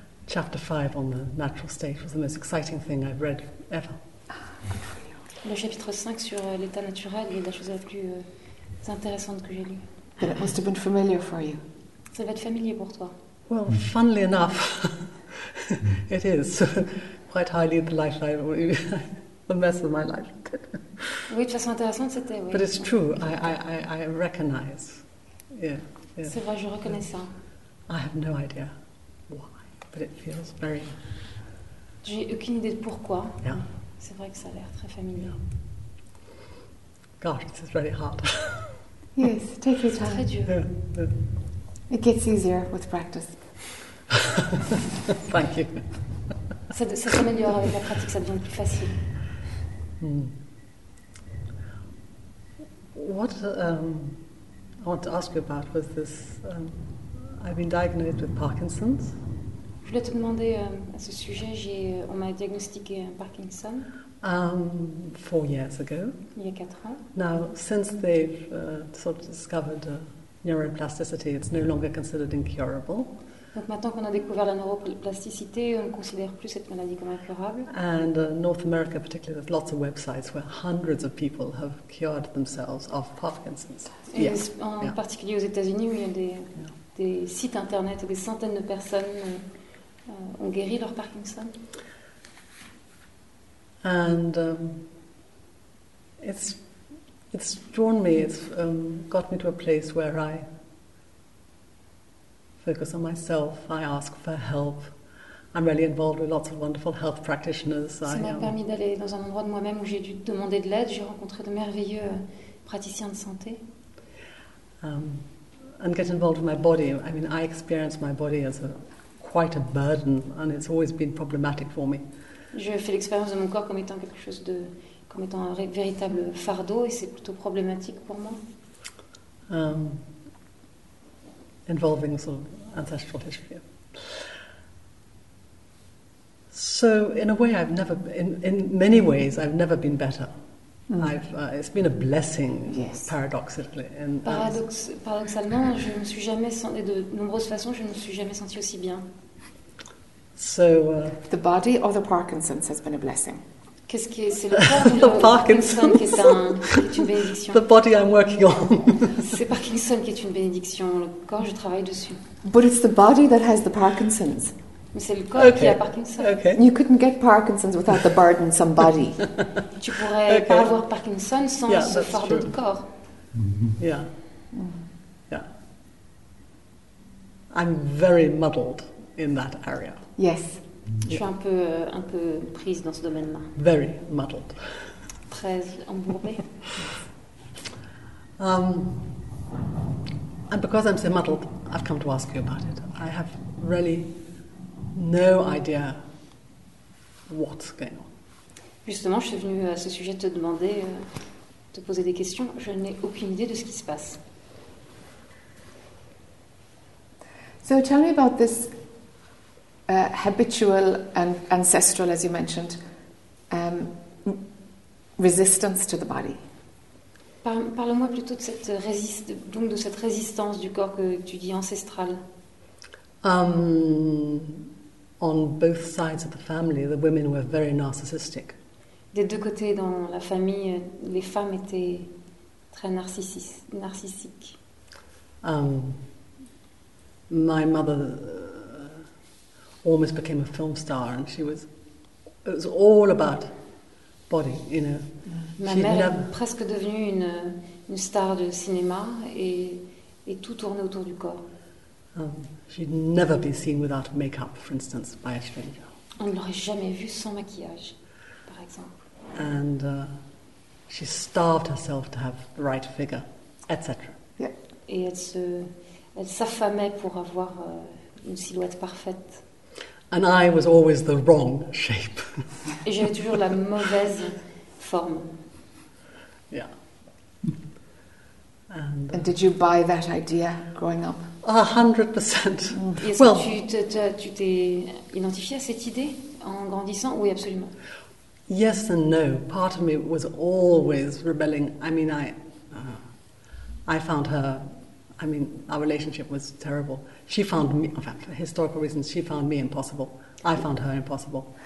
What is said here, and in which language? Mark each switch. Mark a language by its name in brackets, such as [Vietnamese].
[English] Chapter 5 on the natural state was the most exciting thing I've read ever. [French] Le chapitre 5 sur l'état naturel est la chose la plus intéressante que j'ai lue. [English] But it must have been familiar for you. [French] Ça va être familier pour toi. [English] Well, funnily enough, it is quite highly the life I the mess of my life. [French] Oui, de façon intéressante, c'était, oui. [English] But it's true, I recognize. Yeah, yeah. [French] C'est vrai, je reconnais ça. [English] I have no idea why, but it feels very... [French] J'ai aucune idée de pourquoi. [English] Yeah. [French] C'est vrai que ça a l'air très familier. [English] Yeah. Gosh, this is really hard. Yes, take your time. [French] C'est très dur. [English] Yeah, yeah. It gets easier with practice. Thank you. [French] Ça s'améliore avec la pratique, ça devient plus facile. Hmm. [English] What I want to ask you about was this. I've been diagnosed with Parkinson's. [French] Je voulais te demander à ce sujet. On m'a diagnostiqué un Parkinson. [English] 4 years ago. [French] Il y a 4 ans. [English] Now, since they've sort of discovered neuroplasticity, it's no longer considered incurable. [French] Donc maintenant qu'on a découvert la neuroplasticité, on ne considère plus cette maladie comme incurable. [English] And in North America particularly, there's lots of websites where hundreds of people have cured themselves of Parkinson's. Yes. En yeah. [French] particulier aux États-Unis, où il y a des sites internet où des centaines de personnes ont guéri leur Parkinson. [English] And it's drawn me, it's got me to a place where I focus on myself, I ask for help. I'm really involved with lots of wonderful health practitioners. [French] Ça m'a permis d'aller dans un endroit de moi-même où j'ai dû demander de l'aide. J'ai rencontré de merveilleux praticiens de santé. [English] And get involved with my body. I mean, I experience my body as quite a burden, and it's always been problematic for me. [French] Je fais l'expérience de mon corps comme étant quelque chose de, comme étant un véritable fardeau, et c'est plutôt problématique pour moi. [English] Involving sort of ancestral history. Yeah. So, in a way, I've never, in many ways, I've never been better. Mm-hmm. It's been a blessing, yes. Paradoxically. [French] Paradoxalement, je ne me suis jamais senti, de nombreuses façons, je ne me suis jamais senti aussi bien. [English] So, the body or the Parkinson's has been a blessing. [French] Qu'est-ce que c'est le corps ou le Parkinson qui est une bénédiction? [English] The body I'm working on. [French] C'est Parkinson qui est une bénédiction. Le corps, je travaille dessus. [English] But it's the body that has the Parkinson's. [French] Mais c'est le corps [English] okay. [French] qui a Parkinson. [English] Okay. You couldn't get Parkinson's without the burden somebody. [French] Tu pourrais okay. pas avoir Parkinson sans [English] yeah, [French] ce fardeau de corps. [English] Mm-hmm. Yeah. Mm-hmm. Yeah. I'm very muddled in that area. Yes. [French] Yeah. Je suis un peu prise dans ce domaine-là. [English] Very muddled. [French] Très embourbée. [English] And because I'm so muddled, I've come to ask you about it. I have really no idea what's going on. [French] Justement, je suis venue à ce sujet te demander, te poser des questions. Je n'ai aucune idée de ce qui se passe. [English] So tell me about this. Habitual and ancestral, as you mentioned, resistance to the body. [French] Parle-moi plutôt de cette résistance du corps que tu dis ancestrale. [English] On both sides of the family, the women were very narcissistic. [French] Des deux côtés dans la famille, les femmes étaient très narcissiques. [English] My mother almost became a film star, and she was. It was all about body, you know. [French] Ma mère est presque devenue une star de cinéma, et tout tournait autour du corps. [English] She'd never be seen without makeup, for instance, by a stranger. [French] On ne l'aurait jamais vue sans maquillage, par exemple. [English] And She starved herself to have the right figure, etc. Yeah. [French] Et elle s'affamait pour avoir une silhouette parfaite. [English] And I was always the wrong shape. [French] Et j'avais toujours la mauvaise forme. [English] Yeah. And did you buy that idea growing up? 100%. [French] Est-ce [English] well, [French] que tu t'es identifié à cette idée en grandissant? Oui, absolument. [English] Yes and no. Part of me was always rebelling. I mean, I found her. I mean, our relationship was terrible. She found me, for historical reasons, she found me impossible. I found her impossible.